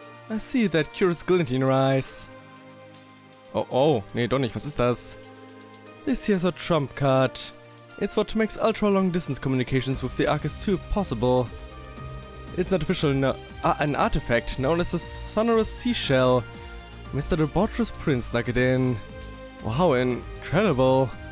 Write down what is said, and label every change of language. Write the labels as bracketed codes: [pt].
[en] I see that curious glint in your eyes. [de] Oh, oh, nee, doch nicht, was ist das? [en] This here's a trump card. It's what makes ultra-long-distance communications with the Arcus 2 possible. It's an official an artifact known as the Sonorous Seashell. Mr. Debauchous Prince snuck it in. Wow, incredible.